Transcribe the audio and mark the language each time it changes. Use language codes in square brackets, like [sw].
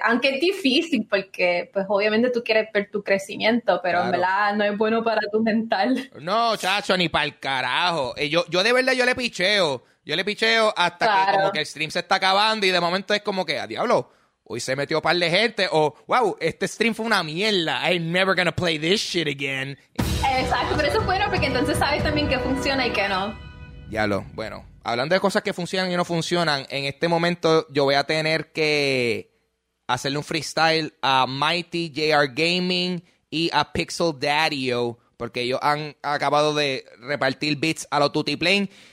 [es] Aunque es difícil porque pues obviamente tú quieres ver tu crecimiento, pero claro. En verdad no es bueno para tu mental. No, chacho, ni para el carajo. Yo de verdad yo le picheo hasta claro. Que como que el stream se está acabando y de momento es como que, a diablo, hoy se metió un par de gente, o wow, este stream fue una mierda. [en] I'm never gonna play this shit again. [es] Exacto, pero eso es bueno porque entonces sabes también qué funciona y qué no. Ya lo, bueno, hablando de cosas que funcionan y no funcionan, en este momento yo voy a tener que hacerle un freestyle a Mighty JR Gaming y a Pixel Daddy-O, porque ellos han acabado de repartir beats a lo Tutti Plane.